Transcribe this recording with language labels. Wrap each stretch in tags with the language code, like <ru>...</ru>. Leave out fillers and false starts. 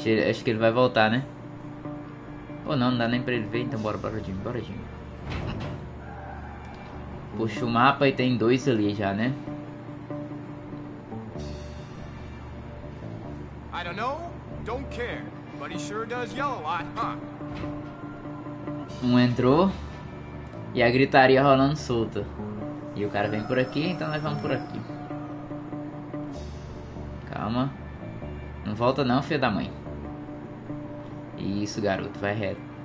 <pt>Acho que ele vai voltar, né? Ou não, não dá nem pra ele ver. Então bora, Jimmy. Puxa o mapa e tem dois ali já, né?</pt> <en>I don't know, don't care, but he sure does yell a lot, huh?</en> <pt>Um entrou e a gritaria rolando solta. E o cara vem por aqui, então nós vamos por aqui. Calma. Não volta não, filho da mãe. Isso, garoto, vai reto.</pt>